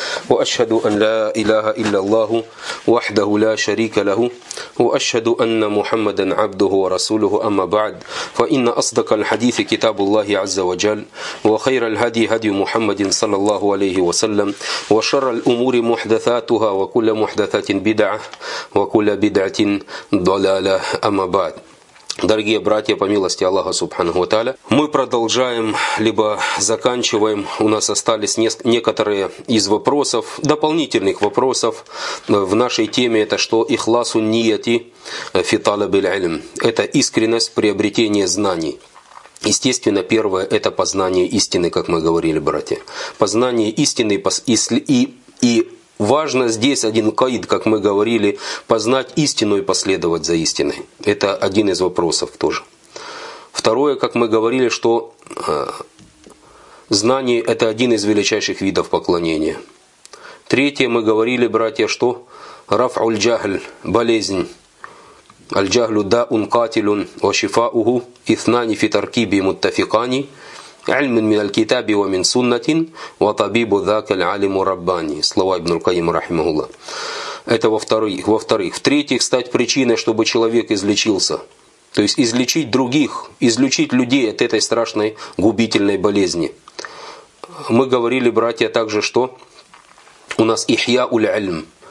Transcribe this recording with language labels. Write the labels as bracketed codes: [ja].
[ar] وأشهد أن لا إله إلا الله وحده لا شريك له وأشهد أن محمدا عبده ورسوله أما بعد فإن أصدق الحديث كتاب الله عز وجل وخير الهدي هدي محمد صلى الله عليه وسلم وشر الأمور محدثاتها وكل محدثة بدعة وكل بدعة ضلالة أما بعد. [ru] Дорогие братья, по милости Аллаха Субханаху ва Тааля, мы продолжаем, либо заканчиваем, у нас остались некоторые из вопросов, дополнительных вопросов в нашей теме, это что [ar] ихласу нияти фи талабиль илм, [ru] это искренность приобретения знаний. Естественно, первое – это познание истины, как мы говорили, братья. Познание истины и важно здесь один каид, как мы говорили, познать истину и последовать за истиной. Это один из вопросов тоже. Второе, как мы говорили, что знание – это один из величайших видов поклонения. Третье, мы говорили, братья, что рафуль-джахль – болезнь. [ar] Аль-джахлю даун катилун ва шифауху ифнани фитаркиби муттафикани. علم من الكتاب ومن سنة وطبيب ذاك العالم رباني. [ru] Слова Ибн аль-Кайим рахимахулла. Это во-вторых. В-третьих, стать причиной, чтобы человек излечился. То есть излечить других, излечить людей от этой страшной губительной болезни. Мы говорили, братья, также, что у нас ихья уль-альм.